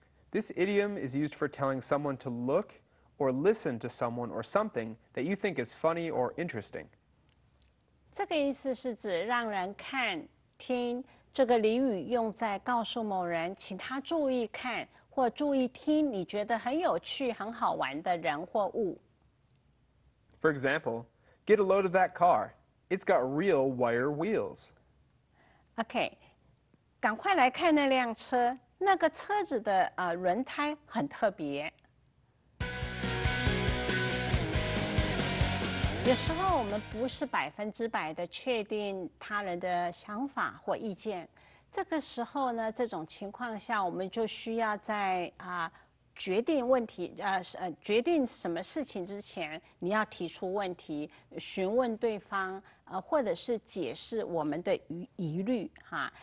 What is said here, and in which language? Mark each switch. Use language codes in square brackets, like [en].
[en] This idiom is used for telling someone to look or listen to someone or something that you think is funny or interesting. [zh] 这个意思是指让人看、听，这个俚语用在告诉某人，请他注意看或注意听你觉得很有趣、很好玩的人或物。 [en] For example, get a load of that car. It's got real wire wheels. [zh] Okay, 赶快来看那辆车，那个车子的轮胎很特别。有时候我们不是百分之百的确定他人的想法或意见，这个时候呢，这种情况下我们就需要在决定问题决定什么事情之前，你要提出问题，询问对方或者是解释我们的疑虑哈。